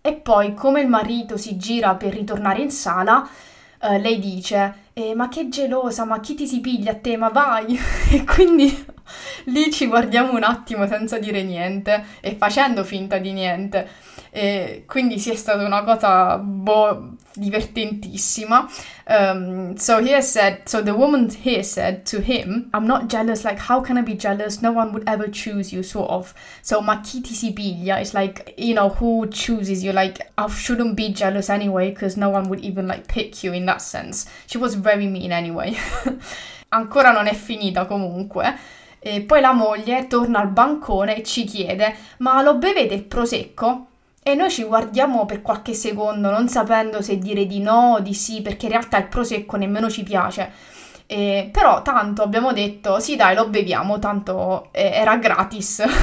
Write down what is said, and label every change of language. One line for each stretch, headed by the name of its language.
Italian: E poi come il marito si gira per ritornare in sala, lei dice: ma che gelosa, ma chi ti si piglia a te, ma vai! E quindi lì ci guardiamo un attimo senza dire niente e facendo finta di niente. E quindi sì, è stata una cosa divertentissima.
English: So the woman here said to him, I'm not jealous, like how can I be jealous, no one would ever choose you, sort of. So
Italian: ma chi ti si piglia,
English: it's like, you know, who chooses you, like I shouldn't be jealous anyway because no one would even like pick you in that sense. She was very mean anyway.
Italian: Ancora non è finita comunque. E poi la moglie torna al bancone e ci chiede: ma lo bevete il prosecco? E noi ci guardiamo per qualche secondo, non sapendo se dire di no o di sì, perché in realtà il prosecco nemmeno ci piace. Però tanto abbiamo detto, sì dai, lo beviamo, tanto era gratis.